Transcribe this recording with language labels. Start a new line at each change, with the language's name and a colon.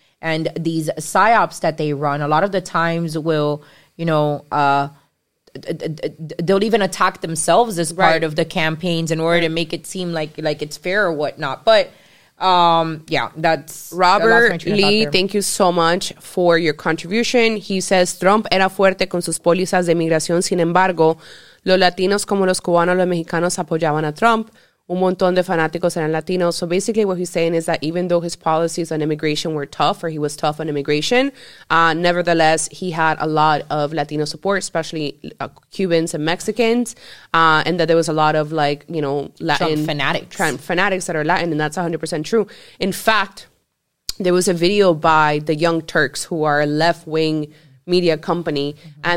English: And these psyops that they run, a lot of the times will, you know, they'll even attack themselves as part of the campaigns in order to make it seem like it's fair or whatnot. But Yeah, that's Robert Lee. Thank you so much for your contribution. He says
Spanish: Trump era fuerte con sus pólizas de migración. Sin embargo, los latinos como los cubanos, los mexicanos apoyaban a Trump. Un montón de fanáticos eran latinos.
English: So basically what he's saying is that even though his policies on immigration were tough, or he was tough on immigration, nevertheless, he had a lot of Latino support, especially Cubans and Mexicans, and that there was a lot of, like, you know, Latin fanatics. Trump fanatics that are Latin, and that's 100% true. In fact, there was a video by the Young Turks, who are a left-wing media company, mm-hmm.